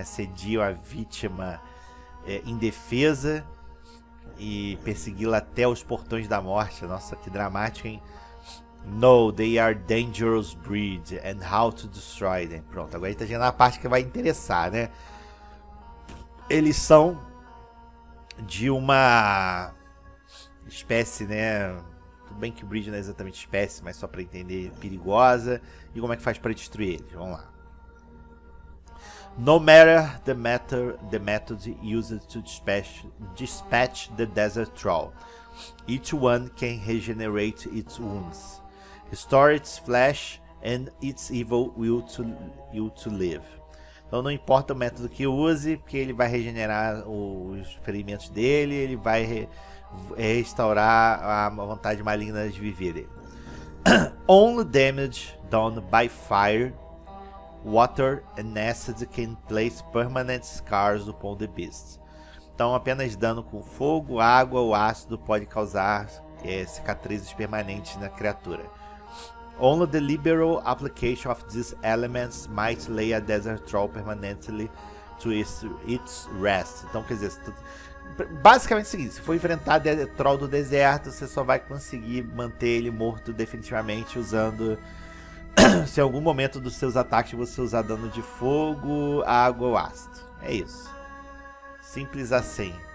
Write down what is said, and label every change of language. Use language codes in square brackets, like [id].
[pt] Assedia a vítima indefesa e persegui-la até os portões da morte. Nossa, que dramático, hein? [en] No, they are dangerous breed and how to destroy them. [pt] Pronto, agora a gente tá chegando na parte que vai interessar, né? Eles são de uma espécie, né? Tudo bem que breed não é exatamente espécie, mas só pra entender, perigosa. E como é que faz pra destruir eles? Vamos lá. [en] No matter the method used to dispatch the desert troll, each one can regenerate its wounds, restore its flesh, and its evil will to live. [pt] Então não importa o método que use, porque ele vai regenerar os ferimentos dele, ele vai restaurar a vontade maligna de viver. [en] Only damage done by fire, water and acid can place permanent scars upon the beast. [pt] Então, apenas dano com fogo, água ou ácido pode causar cicatrizes permanentes na criatura. [en] Only the liberal application of these elements might lay a desert troll permanently to its rest. [pt] Então, quer dizer, basicamente é o seguinte: se for enfrentar o troll do deserto, você só vai conseguir manter ele morto definitivamente usando. Se em algum momento dos seus ataques você usar dano de fogo, água ou ácido. É isso. Simples assim.